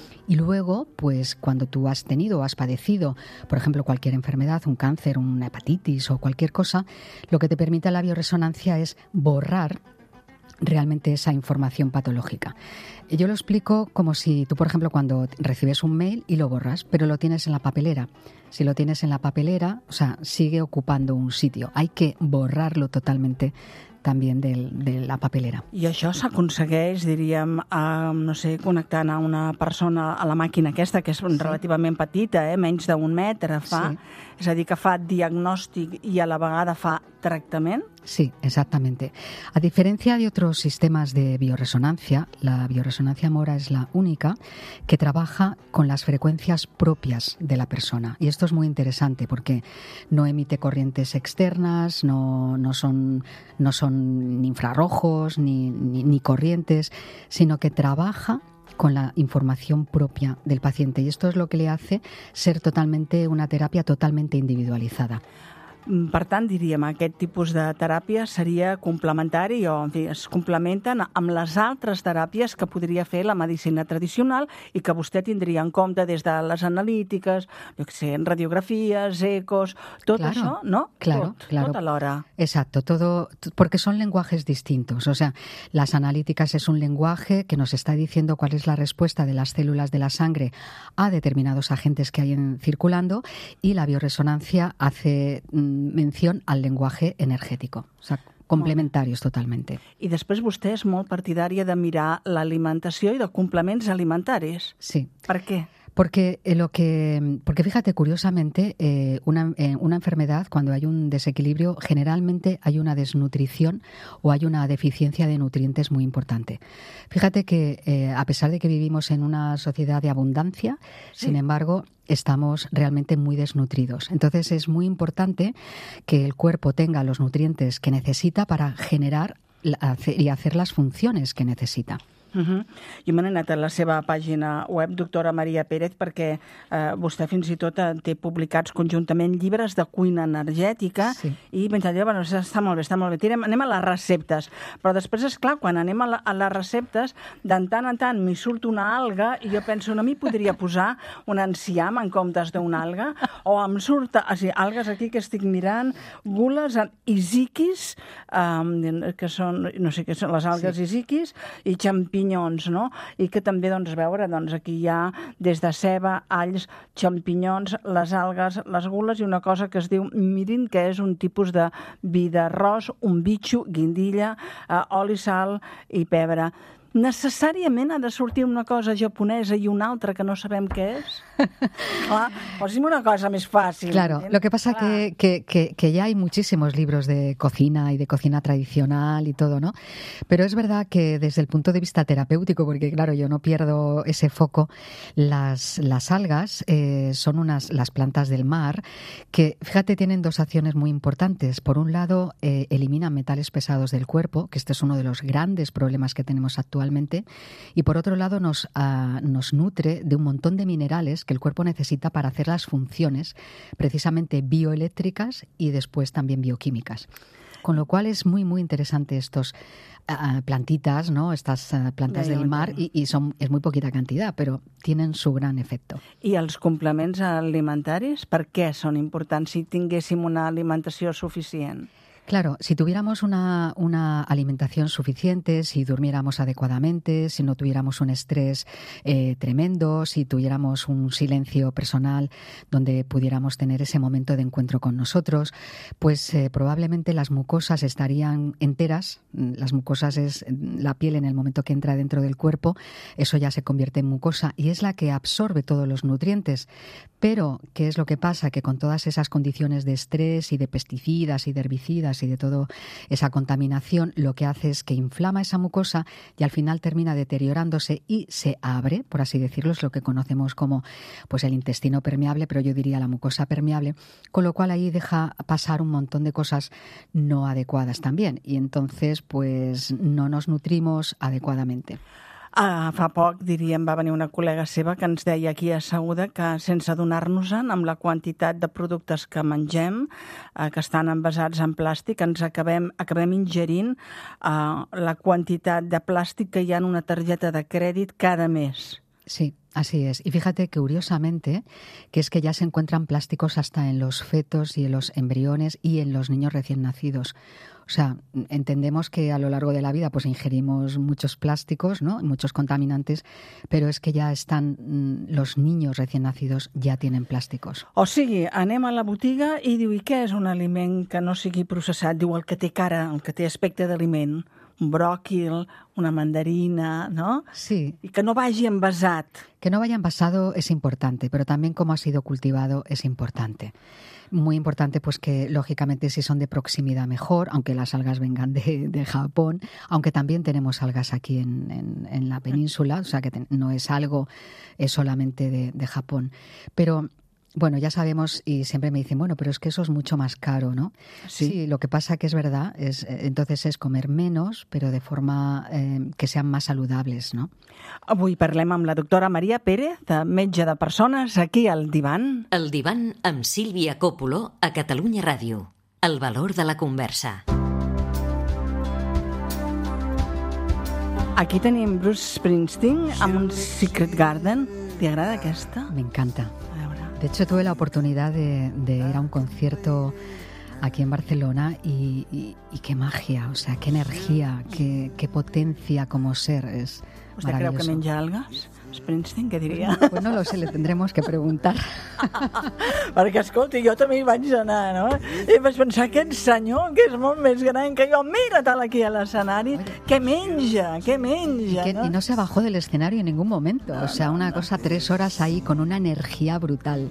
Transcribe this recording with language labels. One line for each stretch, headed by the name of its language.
Spanish: Y luego, pues cuando tú has tenido o has padecido, por ejemplo, cualquier enfermedad, un cáncer, una hepatitis o cualquier cosa, lo que te permite la bioresonancia es borrar realmente esa información patológica. Yo lo explico como si tú, por ejemplo, cuando recibes un mail y lo borras, pero lo tienes en la papelera. Si lo tienes en la papelera, o sea, sigue ocupando un sitio. Hay que borrarlo totalmente también de la papelera.
Catalan: I això s'aconsegueix, diríem, connectant a una persona a la màquina aquesta, que és relativament petita, menys d'un metre fa. Sí. És a dir, que fa diagnòstic i a la vegada fa tractament.
Spanish: Sí, exactamente. A diferencia de otros sistemas de bioresonancia, la bioresonancia MORA es la única que trabaja con las frecuencias propias de la persona. Y esto es muy interesante porque no emite corrientes externas, no son ni infrarrojos ni corrientes, sino que trabaja con la información propia del paciente. Y esto es lo que le hace ser totalmente una terapia totalmente individualizada.
Catalan: Per tant, diríem, aquest tipus de teràpia seria complementari o, en fi, es complementen amb les altres teràpies que podria fer la medicina tradicional i que vostè tindria en compte des de les analítiques, jo què sé, radiografies, ecos, tot
Spanish: claro,
Catalan: això, no?
Spanish: Claro,
Catalan: tot,
Spanish: claro.
Catalan: Tot alhora.
Spanish: Exacto, todo, porque son lenguajes distintos. O sea, las analíticas es un lenguaje que nos está diciendo cuál es la respuesta de las células de la sangre a determinados agentes que hay circulando, y la bioresonancia hace mención al lenguaje energético. O sea, complementarios totalmente.
Catalan: I després vostè és molt partidària de mirar l'alimentació i de complements alimentaris. Sí. Per què?
Spanish: Porque fíjate, curiosamente, una enfermedad, cuando hay un desequilibrio, generalmente hay una desnutrición o hay una deficiencia de nutrientes muy importante. Fíjate que, a pesar de que vivimos en una sociedad de abundancia, sin embargo, estamos realmente muy desnutridos. Entonces, es muy importante que el cuerpo tenga los nutrientes que necesita para generar y hacer las funciones que necesita.
Catalan: Jo m'he anat a la seva pàgina web, doctora Maria Pérez, perquè vostè fins i tot té publicats conjuntament llibres de cuina energètica. Sí. I pensava, bueno, està molt bé, està molt bé. Anem a les receptes. Però després, és clar, quan anem a les receptes, de tant en tant m'hi surt una alga i jo penso, no m'hi podria posar un enciam en comptes d'una alga? O em surt, o sigui, algues aquí que estic mirant, gules, isiquis, que són, no sé què són, les algues isiquis, i xampanyes, pinyons, no? I que també, doncs, veure, doncs, aquí hi ha des de ceba, alls, xampinyons, les algues, les gules i una cosa que es diu mirin, que és un tipus de vi d'arròs, un bitxo, guindilla, oli, sal i pebre. Necessàriament ha de sortir una cosa japonesa i una altra que no sabem què és? Clar, posi'm una cosa més fàcil.
Spanish: Claro, lo que pasa que ya hay muchísimos libros de cocina y de cocina tradicional y todo, ¿no? Pero es verdad que desde el punto de vista terapéutico, porque claro, yo no pierdo ese foco, las algas son las plantas del mar que, fíjate, tienen dos acciones muy importantes. Por un lado, eliminan metales pesados del cuerpo, que este es uno de los grandes problemas que tenemos actualmente, y por otro lado nos nutre de un montón de minerales que el cuerpo necesita para hacer las funciones precisamente bioeléctricas y después también bioquímicas. Con lo cual es muy, muy interesante estos plantitas, ¿no? Estas plantas del mar, y son, es muy poquita cantidad, pero tienen su gran efecto.
Catalan: I els complements alimentaris, per què són importants si tinguéssim una alimentació suficient?
Spanish: Claro, si tuviéramos una alimentación suficiente, si durmiéramos adecuadamente, si no tuviéramos un estrés tremendo, si tuviéramos un silencio personal donde pudiéramos tener ese momento de encuentro con nosotros, pues probablemente las mucosas estarían enteras. Las mucosas es la piel en el momento que entra dentro del cuerpo, eso ya se convierte en mucosa y es la que absorbe todos los nutrientes. Pero, ¿qué es lo que pasa? Que con todas esas condiciones de estrés y de pesticidas y de herbicidas y de toda esa contaminación, lo que hace es que inflama esa mucosa y al final termina deteriorándose y se abre, por así decirlo, es lo que conocemos como pues el intestino permeable, pero yo diría la mucosa permeable, con lo cual ahí deja pasar un montón de cosas no adecuadas también. Y entonces, pues no nos nutrimos adecuadamente.
Catalan: Fa poc, diríem, va venir una col·lega seva que ens deia aquí asseguda que sense adonar-nos-en amb la quantitat de productes que mengem, que estan envasats en plàstic, ens acabem ingerint la quantitat de plàstic que hi ha en una targeta de crèdit cada mes.
Spanish: Sí. Así es. Y fíjate que curiosamente, que es que ya se encuentran plásticos hasta en los fetos y en los embriones y en los niños recién nacidos. O sea, entendemos que a lo largo de la vida pues ingerimos muchos plásticos, ¿no? Muchos contaminantes, pero es que ya están los niños recién nacidos, ya tienen plásticos.
Catalan: O sigui, anem a la botiga i diu, i què és un aliment que no sigui processat? Diu, el que té cara, el que té aspecte d'aliment. Un bròquil, una mandarina, ¿no? Sí.
Spanish: Y que no vaya envasado. Que no vaya envasado es importante, pero también cómo ha sido cultivado es importante. Muy importante, pues que lógicamente si son de proximidad mejor, aunque las algas vengan de Japón, aunque también tenemos algas aquí en la península, o sea que no es algo es solamente de Japón. Pero bueno, ya sabemos y siempre me dicen, bueno, pero es que eso es mucho más caro, ¿no? Sí, sí, lo que pasa que es verdad, es entonces es comer menos, pero de forma que sean más saludables, ¿no?
Catalan: Avui parlem amb la doctora María Pérez, metge de persones, aquí al Divan. El Divan amb Sílvia Còpolo a Catalunya Ràdio. El valor de la conversa. Aquí tenim Bruce Springsteen amb un Secret Garden. ¿Te agrada aquesta?
Spanish: Me encanta. De hecho, tuve la oportunidad de ir a un concierto aquí en Barcelona y qué magia, o sea, qué energía, qué potencia como ser. Es maravilloso. ¿Usted cree que
Catalan: menja
Spanish: algas? Springsteen, ¿qué diría? Pues no lo sé, le tendremos que preguntar.
Catalan: Porque, escolti, jo també hi vaig anar, ¿no? I vaig pensar, aquest senyor, que és molt més gran que jo, mira-te'l aquí a l'escenari, que menja, que menja, ¿no?
Spanish: Y no se bajó del escenario en ningún momento, o sea, una cosa, tres horas ahí, con una energía brutal.